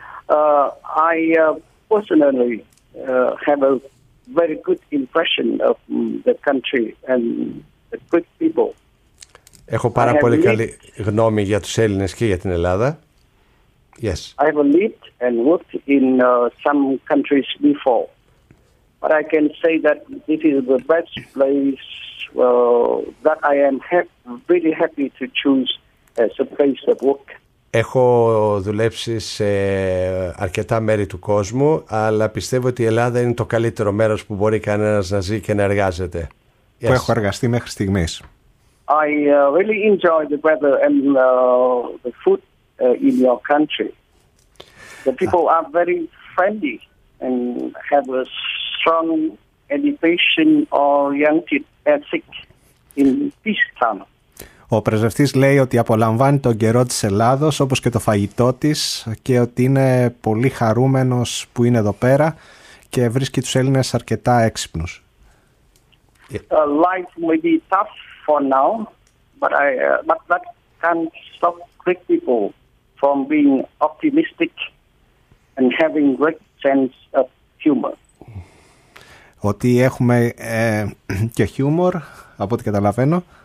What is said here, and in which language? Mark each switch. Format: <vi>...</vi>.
<en>I personally have a very good impression of the country and the Greek people.</en> <el>Έχω πάρα πολύ καλή γνώμη για τους Έλληνες και για την Ελλάδα.</el> <en>Yes. I have lived and worked in some countries before, but I can say that this is the best place that I am really happy to choose as a place of work.</en> <el>Έχω δουλέψει σε αρκετά μέρη του κόσμου, αλλά πιστεύω ότι η Ελλάδα είναι το καλύτερο μέρος που μπορεί κανένας να ζει και να εργάζεται.</el> <en>Yes.</en> <el>Που έχω εργαστεί μέχρι στιγμής.</el> <en>I really enjoy the weather and the food in your country. The people are very friendly and have a strong education oriented ethic in this town.</en> <el>Ο πρεσβευτής λέει ότι απολαμβάνει τον καιρό της Ελλάδος όπως και το φαγητό της και ότι είναι πολύ χαρούμενος που είναι εδώ πέρα και βρίσκει τους Έλληνες αρκετά έξυπνους.</el> <en>Life may be tough for now, but that can't stop Greek people from being optimistic and having great sense of humor.</en> <el>Ότι έχουμε και χιούμορ, από ό,τι καταλαβαίνω.</el>